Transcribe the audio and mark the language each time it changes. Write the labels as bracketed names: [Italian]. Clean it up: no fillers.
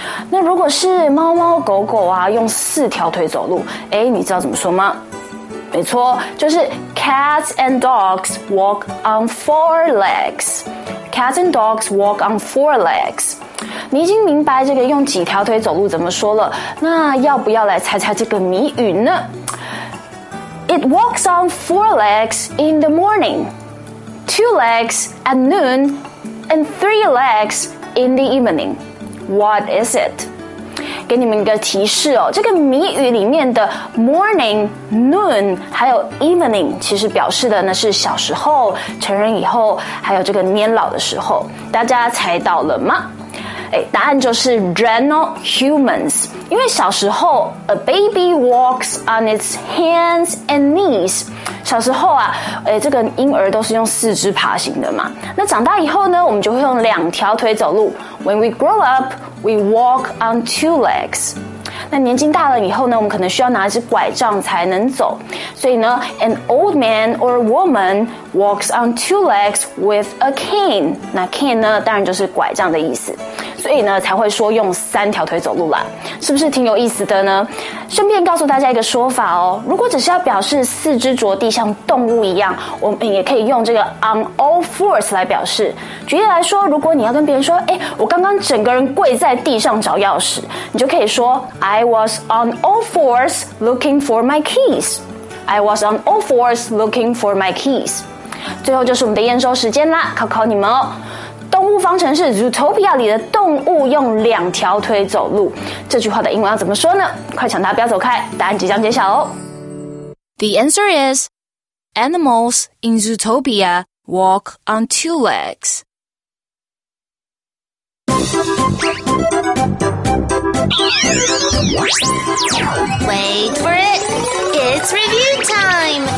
[Chinese] 那如果是猫猫狗狗啊用四条腿走路，哎，你知道怎么说吗？没错，就是 [English] cats and dogs walk on four legs， cats and dogs walk on four legs。 [Chinese] 你已经明白这个用几条腿走路怎么说了，那要不要来猜猜这个谜语呢？ [English] It walks on four legs in the morning, two legs at noon, and three legs in the eveningWhat is it? [Chinese] 给你们一个提示哦，这个谜语里面的 morning, noon, 还有 evening 其实表示的呢是小时候、成人以后，还有这个年老的时候。大家猜到了吗？哎，答案就是 人哦， humans。因为小时候 [English] a baby walks on its hands and knees。 [Chinese] 小时候啊，哎，这个婴儿都是用四肢爬行的嘛。那长大以后呢，我们就会用两条腿走路。 [English] When we grow up, we walk on two legs. [Chinese] 那年纪大了以后呢，我们可能需要拿一只拐杖才能走。所以呢 [English] ，an old man or woman walks on two legs with a cane. [Chinese] 那 cane 呢，当然就是拐杖的意思。所以呢，才会说用三条腿走路啦，是不是挺有意思的呢？顺便告诉大家一个说法哦，如果只是要表示四肢着地像动物一样，我们也可以用这个 on all fours 来表示。举例来说，如果你要跟别人说，哎，我刚刚整个人跪在地上找钥匙，你就可以说 [English] I was on all fours looking for my keys. I was on all fours looking for my keys. [Chinese] 最后就是我们的验收时间啦，考考你们哦。动物方程式 Zootopia 里的动物用两条腿走路，这句话的英文要怎么说呢？快抢答，不要走开，答案即将揭晓哦。 [English] The answer is animals in Zootopia walk on two legs. Wait for it, it's review time.